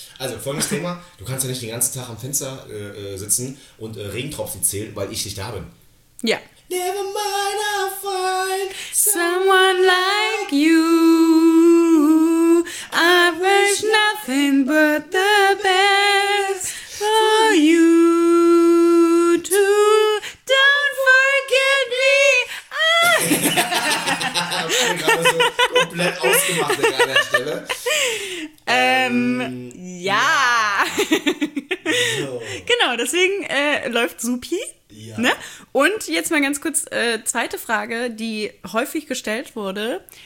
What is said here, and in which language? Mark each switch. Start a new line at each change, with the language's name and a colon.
German: Also folgendes Thema, du kannst ja nicht den ganzen Tag am Fenster sitzen und Regentropfen zählen, weil ich nicht da bin. Ja.
English: Never mind, I'll find someone like you. I wish nothing but the best for you too. Don't forget me.
German: Ich hab gerade so komplett ausgemacht an der Stelle. Ja. Genau, deswegen läuft supi. Ja. Ne? Und jetzt mal ganz kurz zweite Frage, die häufig gestellt wurde.